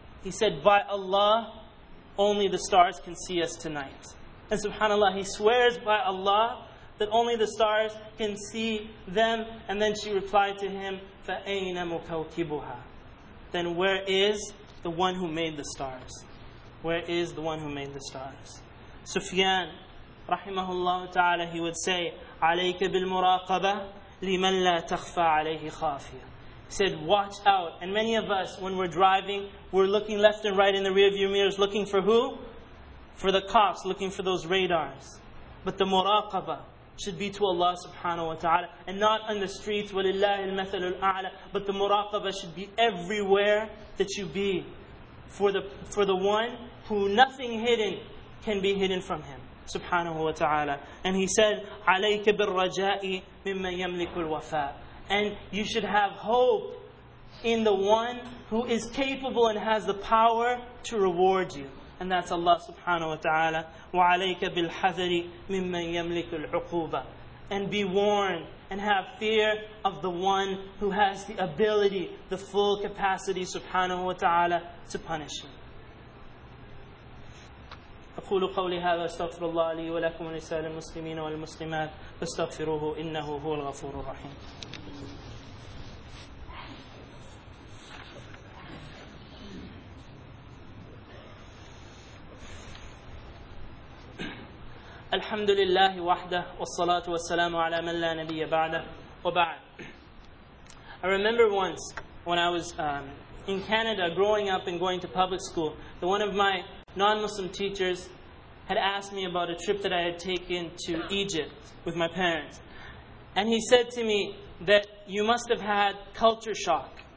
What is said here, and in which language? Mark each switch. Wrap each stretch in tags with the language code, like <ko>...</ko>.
<en>He said, by Allah, only the stars can see us tonight. And subhanAllah, he swears by Allah that only the stars can see them. And then she replied to him,</en> <ar>فَأَيْنَ مُكَوْكِبُهَا.</ar> <en>Then where is the one who made the stars? Where is the one who made the stars?</en> <ar>Sufyan, rahimahullah ta'ala,</ar> <en>he would say,</en> <ar>عَلَيْكَ بِالْمُرَاقَبَةِ لِمَنْ لَا تَخْفَى عَلَيْهِ خَافِيَةً.</ar> <en>He said, watch out. And many of us, when we're driving, we're looking left and right in the rearview mirrors, looking for who? For the cops, looking for those radars. But the muraqabah should be to Allah subhanahu wa ta'ala, and not on the streets,</en> <ar>وَلِلَّهِ الْمَثَلُ الْأَعْلَى.</ar> <en>But the muraqabah should be everywhere that you be. For the one who nothing hidden can be hidden from him, subhanahu wa ta'ala. And he said,</en> <ar>عَلَيْكَ بِالرَّجَاءِ مِمَّا يَمْلِكُ الْوَفَاءِ.</ar> <en>And you should have hope in the one who is capable and has the power to reward you. And that's Allah subhanahu wa ta'ala.</en> <ar>وَعَلَيْكَ بِالْحَذَرِ مِمَّا يَمْلِكُ الْعُقُوبَةِ.</ar> <en>And be warned and have fear of the one who has the ability, the full capacity, subhanahu wa ta'ala, to punish him.</en> <ar>أقول قولي هذا استغفر الله لي ولكم ولسائر المسلمين والمسلمات فاستغفروه إنه هو الغفور الرحيم. الحمد لله وحده والصلاة والسلام على من لا نبي بعده وبعد.</ar> <en>I remember once when I was in Canada growing up and going to public school, that one of my non-Muslim teachers had asked me about a trip that I had taken to Egypt with my parents. And he said to me that you must have had culture shock.</en>